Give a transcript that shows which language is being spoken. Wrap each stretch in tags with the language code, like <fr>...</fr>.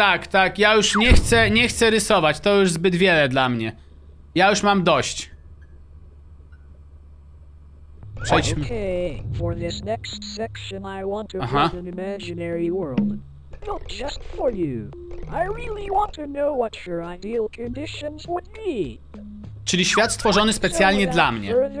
<pl>Tak. Ja już nie chcę rysować. To już zbyt wiele dla mnie. Ja już mam dość. Przejdźmy.</pl> <en>Okay, for this next section I want to build an imaginary world. Not just for you. I really want to know what your ideal conditions would be.</en> <pl>Czyli świat stworzony specjalnie dla mnie.</pl>